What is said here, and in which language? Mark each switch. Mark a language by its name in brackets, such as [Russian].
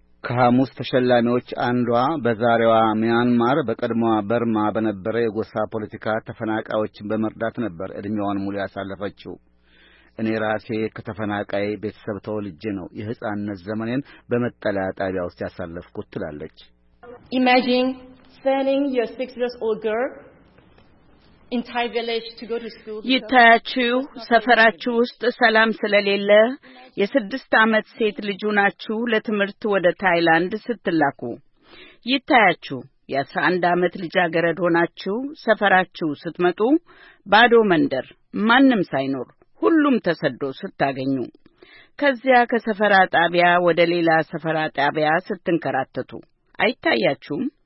[Amharic] ከሃሙስ ተሸላሚዎች አንዷ በዛሬዋ ሚያንማር በቀድሞዋ በርማ በነበረ የጎሳ ፖለቲካ ተፈናቃዮችን በመርዳት ነበር እድሜዋን ሙሉ ያሳለፈችው። እኔ ራሴ ከተፈናቃይ ቤተሰብ ተወልጄ ነው የህፃንነት ዘመኔን በመጠለያ ጣቢያ ውስጥ ያሳለፍኩት ትላለች። [English] Imagine sending your 6-year-old girl in Thai village to go to school. [Amharic] ይታያችሁ ሰፈራችሁ ውስጥ ሰላም ስለሌለ የ6 አመት ሴት ልጅናችሁ ለትምህርት ወደ ታይላንድ ስትላኩ። ይታያችሁ የ11 አመት ልጃገረድ ሆናችሁ ሰፈራችሁ ስትመጡ ባዶ መንደር ማንም ሳይኖር ሁሉም ተሰዶ ስታገኙ። ከዚያ ከሰፈራ ጣቢያ ወደ ሌላ ሰፈራ ጣቢያ ስትንከራተቱ። አይታያችሁም?